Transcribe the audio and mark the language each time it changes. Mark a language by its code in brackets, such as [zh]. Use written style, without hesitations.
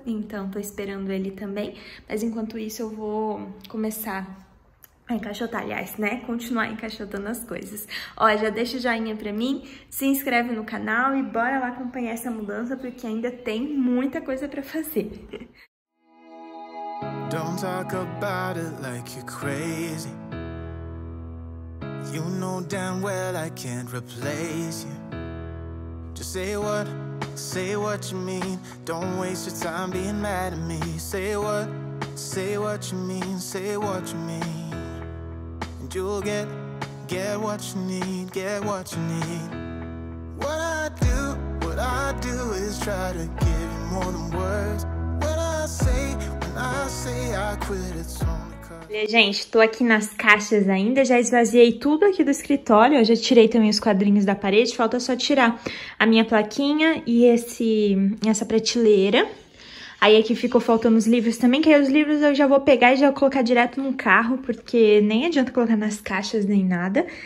[pt] Então, tô esperando ele também. Mas enquanto isso, eu vou começar a encaixotar, aliás, né? Continuar encaixotando as coisas. Ó, já deixa o joinha pra mim, se inscreve no canal e bora lá acompanhar essa mudança, porque ainda tem muita coisa pra fazer. [en] Don't talk about it like you're crazy. You know damn well I can't replace you. Just say what you mean. Don't waste your time being mad at me. Say what you mean, say what you mean. You'll get what you need, get what you need. What I do is try to give you more than words. What I say I quit, it's only cause. [pt] E aí, gente, tô aqui nas caixas ainda, já esvaziei tudo aqui do escritório, eu já tirei também os quadrinhos da parede, falta só tirar a minha plaquinha e essa prateleira. Aí aqui ficou faltando os livros também, que aí os livros eu já vou pegar e já vou colocar direto no carro, porque nem adianta colocar nas caixas nem nada.